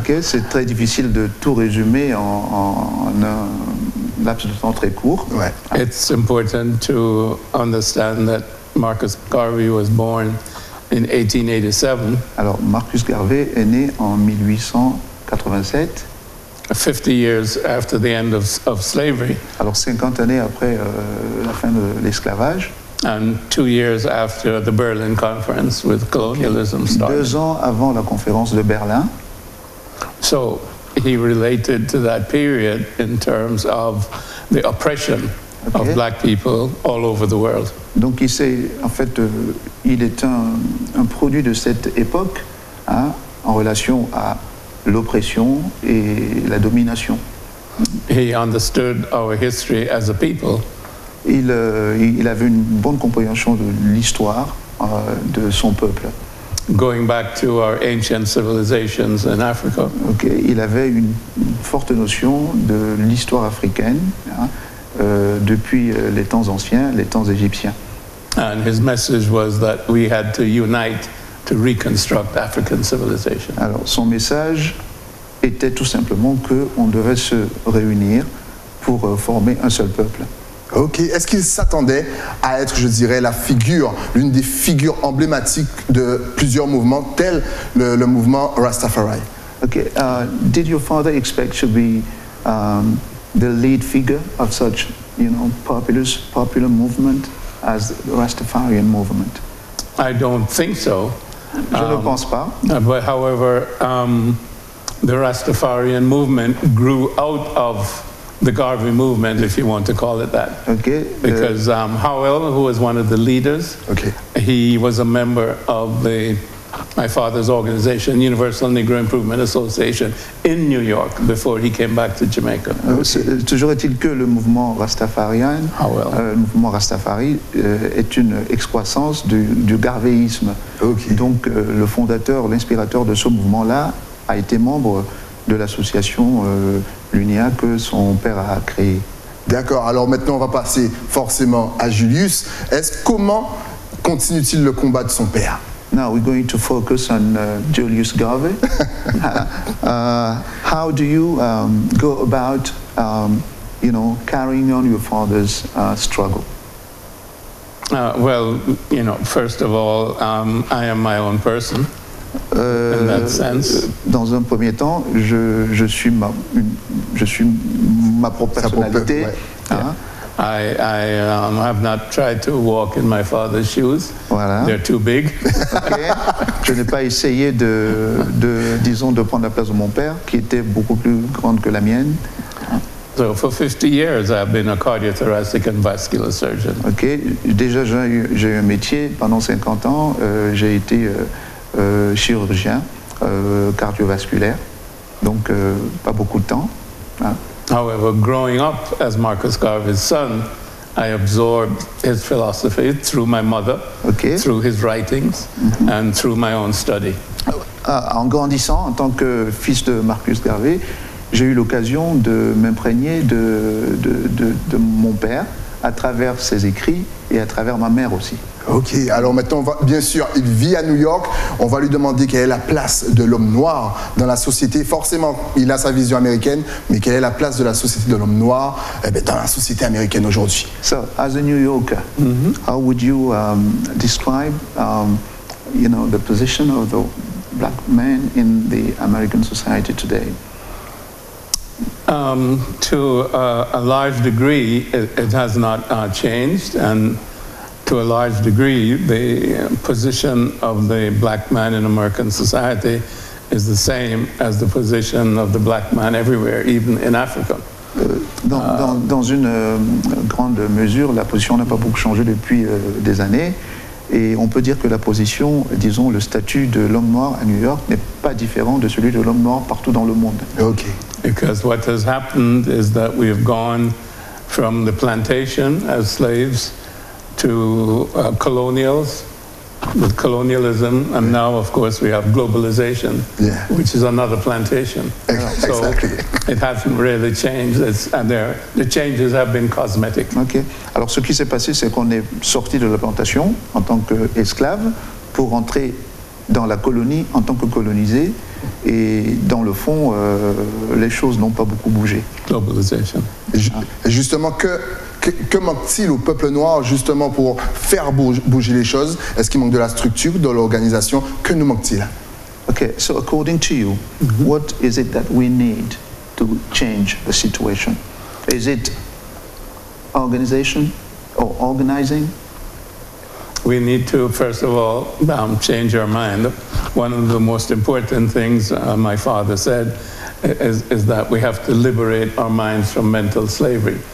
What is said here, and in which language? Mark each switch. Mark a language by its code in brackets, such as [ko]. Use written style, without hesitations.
[fr] Ok, c'est très difficile de tout résumer en un laps de temps très court. Ouais. [en] It's important to understand that Marcus Garvey was born in 1887. [fr] Alors, Marcus Garvey est né en 1887. [en] 50 years after the end of slavery. [fr] Alors 50 années après la fin de l'esclavage. [en] And 2 years after the Berlin Conference with colonialism started. [fr] 2 ans avant la conférence de Berlin. [en] So he related to that period in terms of the oppression of black people all over the world. [fr] Donc il sait, en fait, il est un produit de cette époque, hein, en relation à l'oppression et la domination. [en] He understood our history as a people. [fr] Il avait une bonne compréhension de l'histoire de son peuple. [en] Going back to our ancient civilizations in Africa. [fr] Okay, il avait une forte notion de l'histoire africaine, hein, depuis les temps anciens, les temps égyptiens. [en] And his message was that we had to unite to reconstruct African civilization. [fr] Alors, son message était tout simplement que on devait se réunir pour former un seul peuple. Ok. Est-ce qu'il s'attendait à être, je dirais, la figure, l'une des figures emblématiques de plusieurs mouvements, tels le mouvement Rastafari? Ok. [en] Did your father expect to be the lead figure of such, you know, popular movement as the Rastafarian movement? I don't think so. [fr] Je ne pense pas. [en] But however, the Rastafarian movement grew out of the Garvey movement, if you want to call it that. Okay. Because Howell, who was one of the leaders, he was a member of my father's organization, Universal Negro Improvement Association, in New York, before he came back to Jamaica. Okay. [fr] Toujours est-il que le mouvement Rastafarian, Howell. Le mouvement Rastafari, est une excroissance du garveyisme. Okay. Donc le fondateur, l'inspirateur de ce mouvement-là, a été membre de l'association l'UNIA que son père a créée. D'accord, alors maintenant on va passer forcément à Julius. Comment continue-t-il le combat de son père? [en] Now we're going to focus on Julius Garvey. How do you go about, you know, carrying on your father's struggle? Well, you know, first of all, I am my own person. In that sense. [fr] Dans un premier temps, je suis ma propre personnalité. Ouais. Hein? Yeah. [en] I have not tried to walk in my father's shoes. [fr] Voilà. [en] They're too big. Okay. [fr] Je n'ai pas essayé de prendre la place de mon père, qui était beaucoup plus grande que la mienne. [en] So for 50 years, I've been a cardiothoracic and vascular surgeon. [fr] Okay. Déjà, j'ai eu un métier pendant 50 ans. J'ai été chirurgien cardiovasculaire. Donc, pas beaucoup de temps. [en] Hein. However, growing up as Marcus Garvey's son, I absorbed his philosophy through my mother, okay, through his writings, mm-hmm, and through my own study. [fr] En grandissant, en tant que fils de Marcus Garvey, j'ai eu l'occasion de m'imprégner de mon père à travers ses écrits et à travers ma mère aussi. Ok, alors maintenant, bien sûr, il vit à New York. On va lui demander quelle est la place de l'homme noir dans la société. Forcément, il a sa vision américaine, mais quelle est la place de la société de l'homme noir dans la société américaine aujourd'hui? [en] So, as a New Yorker, mm-hmm, how would you describe, you know, the position of the black man in the American society today? To a large degree, it has not changed, and to a large degree, the position of the black man in American society is the same as the position of the black man everywhere, even in Africa. [fr] Dans une grande mesure, la position n'a pas beaucoup changé depuis des années, et on peut dire que la position, disons, le statut de l'homme noir à New York n'est pas différent de celui de l'homme noir partout dans le monde. Okay. [en] Because what has happened is that we have gone from the plantation as slaves to colonials, with colonialism, and now, of course, we have globalization, yeah, which is another plantation. Exactly. So it hasn't really changed, and the changes have been cosmetic. Okay. [fr] Alors, ce qui s'est passé, c'est qu'on est sorti de la plantation en tant qu'esclave pour rentrer dans la colonie en tant que colonisé. Et dans le fond, les choses n'ont pas beaucoup bougé. Globalisation. Justement, que manque-t-il au peuple noir justement pour faire bouger les choses? Est-ce qu'il manque de la structure, de l'organisation? Que nous manque-t-il? [en] Okay, so according to you, mm-hmm, what is it that we need to change the situation? Is it organization or organizing? We need to, first of all, change our mind. One of the most important things my father said is that we have to liberate our minds from mental slavery.